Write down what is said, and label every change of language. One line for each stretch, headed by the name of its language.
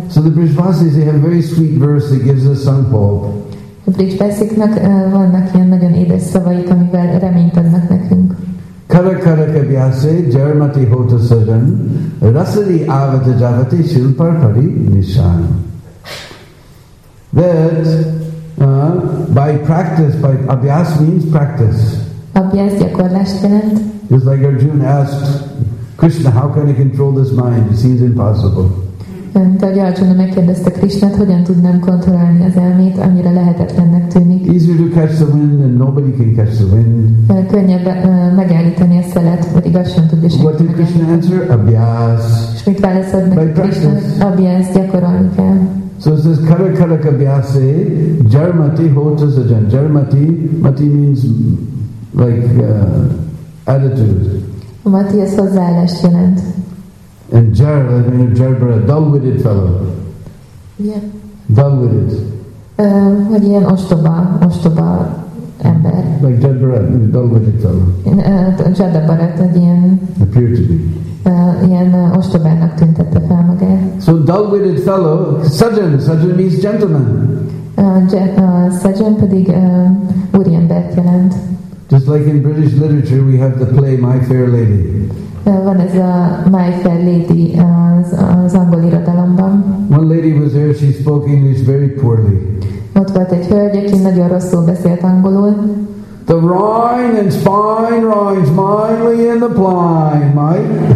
English: So the Brijvasis, they have a very sweet verse that gives us some hope.
Hungarian: A Brijvasiknak vannak ilyen nagyon édes szavaik, amivel reményt adnak nekünk.
Braj: Kara kara kabyase jarmati hota sajan rasari avata javati shilpar pari nishan.
English: That by practice, by abhyas means practice.
Hungarian: Abhyas gyakorlás jelent.
English: It's like Arjuna asked Krishna, how can I control this mind? It seems impossible.
Hungarian: Tehát Arjuna megkérdezte Krishnát, hogyan tudnám kontrollálni az elmét, annyira lehetetlennek tűnik.
English: Easier to catch the wind and nobody can catch the wind.
Hungarian: Könnyebb megállítani a szelet, pedig igaz sem tudja senki.
English: What did Krishna answer? Abhyas.
Hungarian: És mit válaszod neki Krishna? Abhyas, gyakorolni kell.
English: So it says,
Braj: kara kara kabhyase, jarmati hota sajan.
English: Jarmati, mati means like attitude.
Hungarian: Mati az hozzáállást jelent.
English: And jar, I mean a jarbra, dull-witted fellow. Yeah. Dull-witted.
Hungarian: Hogy ilyen ostoba, ostoba ember.
English: Like jarbra, dull-witted fellow.
Hungarian: Jadabara, hogy ilyen...
English: Appear to be.
Hungarian: Ilyen ostobának tüntette fel magát.
English: So dull-witted fellow, sajan, sajan means gentleman.
Hungarian: Szajan pedig úriembert jelent.
English: Just like in British literature, we have the play My Fair Lady.
Hungarian: Van ez a My Fair Lady az angol irodalomban.
English: One lady was there, she spoke English very poorly.
Hungarian: Ott volt egy hölgy, aki nagyon rosszul beszélt angolul.
English: The Rhine and Spine rhymes mildly in the blind, Mike.